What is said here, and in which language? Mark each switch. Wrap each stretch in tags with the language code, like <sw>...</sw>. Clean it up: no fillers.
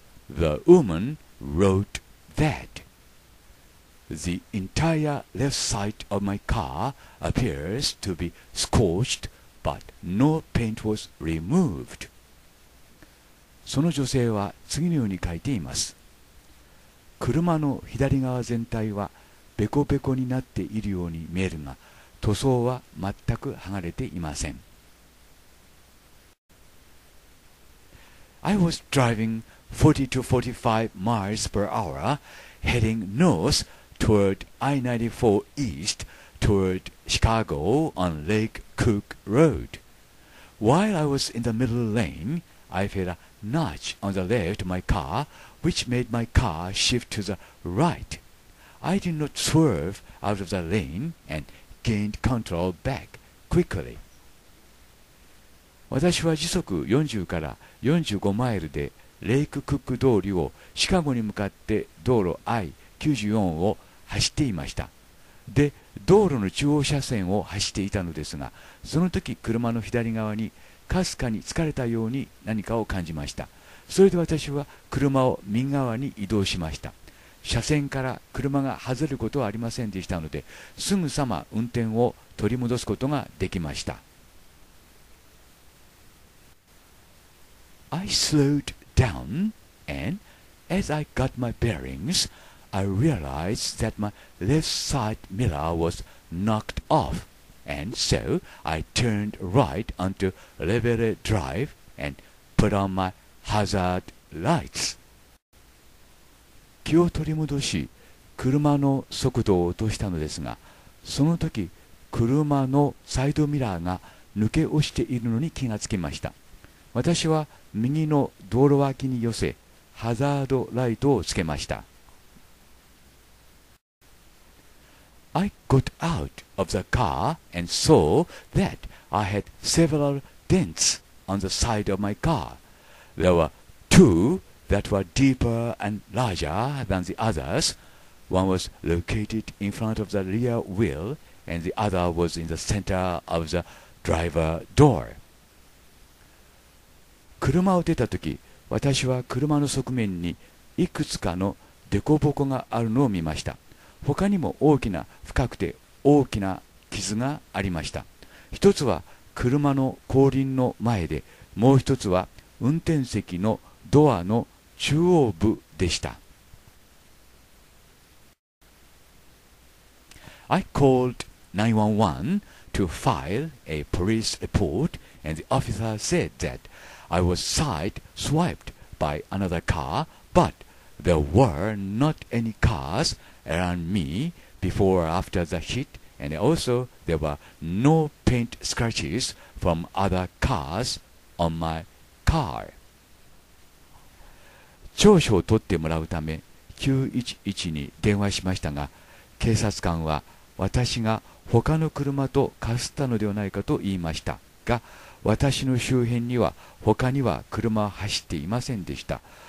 <en>The woman wrote that the entire left side of my car appears to be scorched, but no paint was removed.</en> <ja>その女性は次のように書いています。車の左側全体はベコベコになっているように見えるが、塗装は全く剥がれていません。</ja> <en>I was driving 40 to 45 miles per hour, heading north toward I-94 east toward Chicago on Lake Cook Road. While I was in the middle lane, I felt a notch on the left of my car, which made my car shift to the right. I did not swerve out of the lane and gained control back quickly.</en> <ja>私は時速40から45マイルでレイククック通りをシカゴに向かって道路 I-94 を走っていました。で、道路の中央車線を走っていたのですが、その時車の左側にかすかに疲れたように何かを感じました。それで私は車を右側に移動しました。車線から車が外れることはありませんでしたので、すぐさま運転を取り戻すことができました。</ja> <en>I slowed down, and as I got my bearings, I realized that my left side mirror was knocked off, and so I turned right onto Levere Drive and put on my hazard lights.</en> <ja>気を取り戻し、車の速度を落としたのですが、その時、車のサイドミラーが抜け落ちているのに気がつきました。私は右の道路脇に寄せ、ハザードライトをつけました。</ja> <en>I got out of the car and saw that I had several dents on the side of my car. There were two that were deeper and larger than the others. One was located in front of the rear wheel and the other was in the center of the driver door.</en> <ja>車を出たとき、私は車の側面にいくつかの凸凹があるのを見ました。他にも大きな、深くて大きな傷がありました。一つは車の後輪の前で、もう一つは運転席のドアの中央部でした。</ja> <en>I called 911 to file a police report and the officer said thatI was side-swiped by another car, but there were not any cars around me before or after the hit, and also there were no paint scratches from other cars on my car.</en> <ja>調書を取ってもらうため911に電話しましたが、警察官は私が他の車とかすったのではないかと言いましたが、私の周辺には他には車は走っていませんでした。</ja>